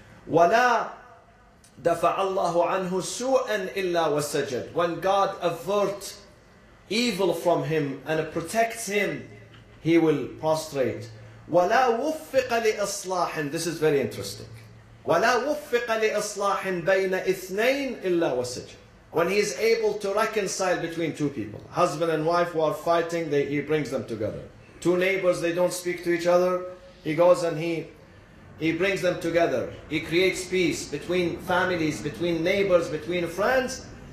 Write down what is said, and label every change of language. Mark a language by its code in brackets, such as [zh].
[ar] وَلَا دَفَعَ اللَّهُ عَنْهُ سُوءًا إِلَّا وَسَجَدْ. [en] When God averts evil from him and protects him, he will prostrate. [ar] ولا وفق لإصلاح. [en] This is very interesting. [ar] ولا وفق لإصلاح بين اثنين إلا وسجن. [en] When he is able to reconcile between two people, husband and wife who are fighting, he brings them together. Two neighbors, they don't speak to each other. He goes and he brings them together. He creates peace between families, between neighbors, between friends.